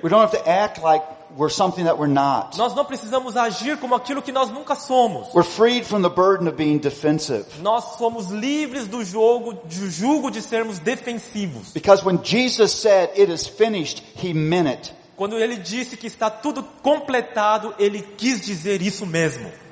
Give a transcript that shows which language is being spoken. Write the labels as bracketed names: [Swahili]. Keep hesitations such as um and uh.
[English] We don't have to act like We're something that we're not. [Portuguese] Nós não precisamos agir como aquilo que nós nunca somos. [English] We're freed from the burden of being defensive. [Portuguese] Nós somos livres do jogo do jugo de sermos defensivos. [English] Because when Jesus said it is finished, he meant it. [Portuguese] Quando ele disse que está tudo completado, ele quis dizer isso mesmo.